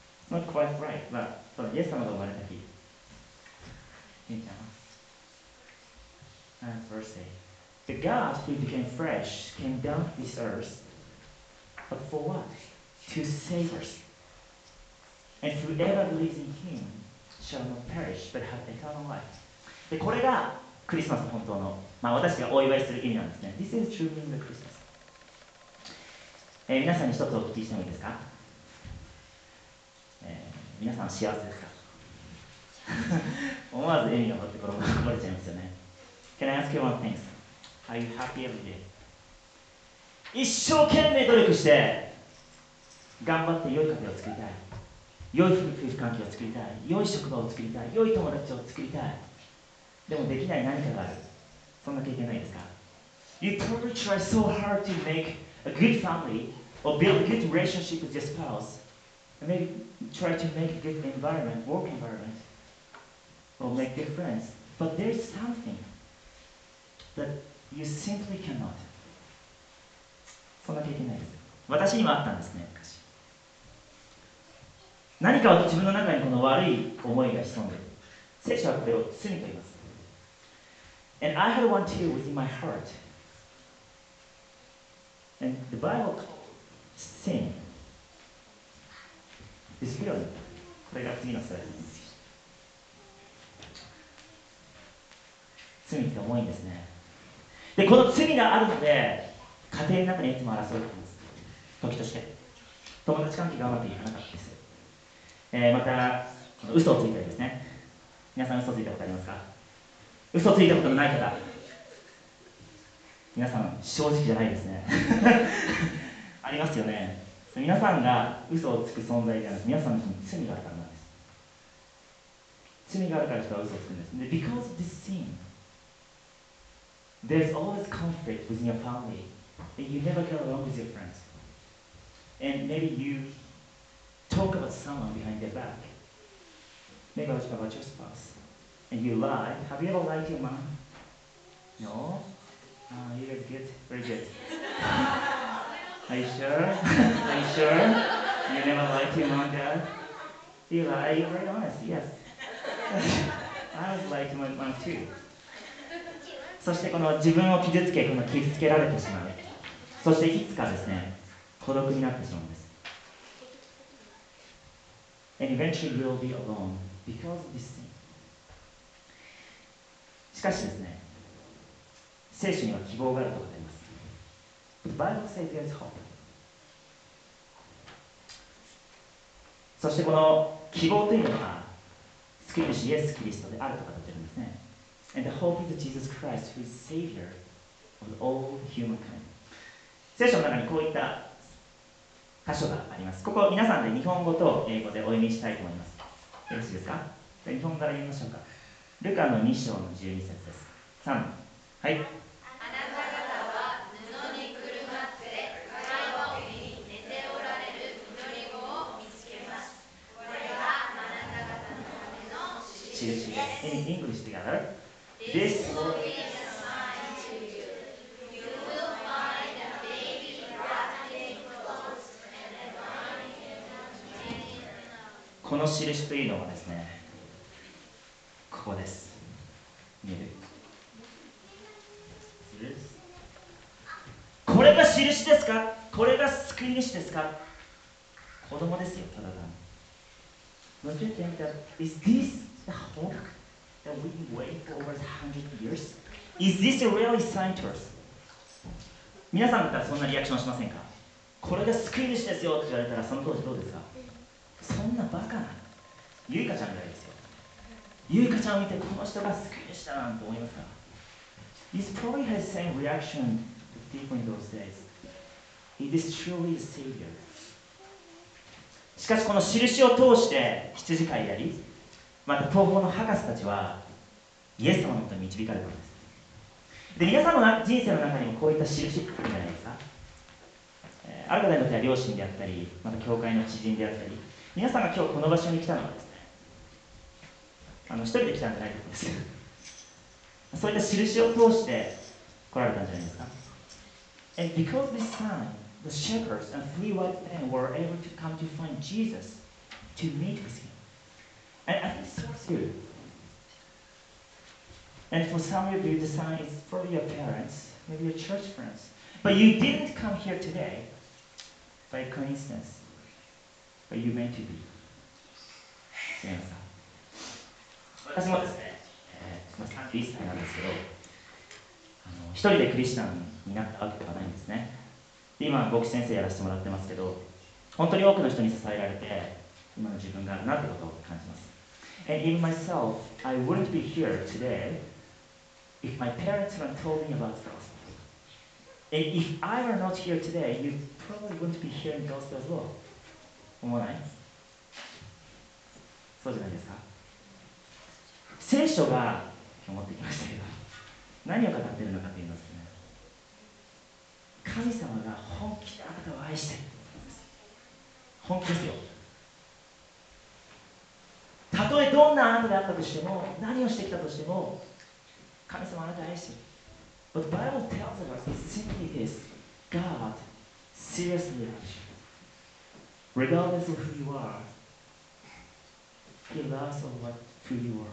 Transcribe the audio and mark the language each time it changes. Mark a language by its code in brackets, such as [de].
[en] Not quite right, but so yes, I'm the one that he. And birthday. The God who became flesh came down to this earth. But for what? To save us. And whoever believes in him shall not perish, but have eternal life. [ja] で、これがクリスマス本当の、まあ、私がお祝いする意味なんですね。 [en] This is true meaning of Christmas. [ja] 皆さんに一つお聞きしてもいいですか？皆さん幸せですか？思わず笑みが持って転ばれちゃいますよね。 [en] Can I ask you one thing? Are you happy every day? [ja] 一生懸命努力して頑張って良い家庭を作りたい。良い夫婦関係を作りたい。良い職場を作りたい。良い友達を作りたい。でもできない何かがある。そんな経験ないですか？ [en] You probably try so hard to make a good family or build a good relationship with your spouse. And maybe try to make a good environment, work environment, or make good friends. But there's something that you simply cannot. [ja] そんな経験ないです。私にもあったんですね、昔。何かを自分の中にこの悪い思いが潜んでいる。聖書はこれを罪と言います。 [en] And I had one too within my heart. And the Bible calls sin. It's real. [ja] これが罪のスライドです。罪って重いんですね。で、この罪があるので、家庭の中にいつも争うんです。時として。友達関係がうまくいかなかったです。また、嘘をついたりですね。皆さん嘘をついたことありますか？嘘をついたことのない方、皆さん正直じゃないですね。ありますよね。皆さんが嘘をつく存在ではなく、皆さんに罪があるからなんです。罪があるから人は嘘をつくんです。で、 [en] Because of this sin, there's always conflict within your family, and you never get along with your friends, and maybe you talk about someone behind their back, maybe about your spouse. And you lie. Have you ever lied to your mom? No? You guys good? Very good. Are you sure? Are you sure? You never lied to your mom, Dad? You lie, you're very honest, yes. I was lying to my mom too. [ja] そしてこの自分を傷つけ、この傷つけられてしまう。そしていつかですね、孤独になってしまうんです。 [en] And eventually we'll be alone because of this thing. [ja] しかしですね、聖書には希望があると言っています。 [en] The Bible says there's hope. [ja] そしてこの希望というのは、救い主イエス・キリストであると語っているんですね。 [en] And the hope is Jesus Christ, who is Savior of all humankind. [ja] 聖書の中にこういった箇所があります。ここ皆さんで日本語と英語でお読みしたいと思います。よろしいですか？で、日本語から読みましょうか。ルカの2章の12節です。3。 はい。あなた方は布にくるまって、暗い場に寝ておられる祈り子を見つけます。これはあなた方のための印です。 [en] In English together. This will be a sign to you. You will find a baby wrapped in cloths and lying in a manger. [ja] この印というのはですね、ここです。見える。これが印ですか？これが救い主ですか？子供ですよ、ただ単に。 [en] Don't you think that is this the hope that we wait for over 100 years? Is this a really sign to us? [ja] 皆さんだったらそんなリアクションしませんか？これが救い主ですよって言われたらその当時どうですか？そんなバカな。ゆいかちゃんぐらいですよ。ゆいかちゃんを見てこの人が救い主だなんて思いますか？ [en] He's probably had the same reaction to people in those days. He is truly the savior. [ja] しかしこの印を通して羊飼いであり、また東方の博士たちはイエス様のことに導かれたんです。で、皆さんの人生の中にもこういった印ってあるんじゃないですか？ある方にとっては両親であったり、また教会の知人であったり、皆さんが今日この場所に来たのはです、一人で来たんじゃないと思うんです。そういった印を通して来られたんじゃないですか。 [en] And because this time, the shepherds and three wise men were able to come to find Jesus to meet with him. And I think so too. And for some of you, the sign is probably your parents, maybe your church friends. But you didn't come here today by coincidence, but you meant to be. [ja] すみません。私もですね、31歳なんですけど、一人でクリスチャンになったわけではないんですね。で、今、牧師先生やらせてもらってますけど、本当に多くの人に支えられて、今の自分があるなってことを感じます。 [en] And even myself, I wouldn't be here today if my parents hadn't told me about the gospel. And if I were not here today, you probably wouldn't be hearing the gospel as well. [ja] 思わない? そうじゃないですか? 聖書が、今日持ってきましたけど、何を語っているのかと言いますとね、神様が本気であなたを愛してるんです。本気ですよ。たとえどんなあなたであったとしても、何をしてきたとしても、神様はあなたを愛している。 [en] But the Bible tells us it simply is God seriously loves you. Regardless of who you are, He loves of what who you are.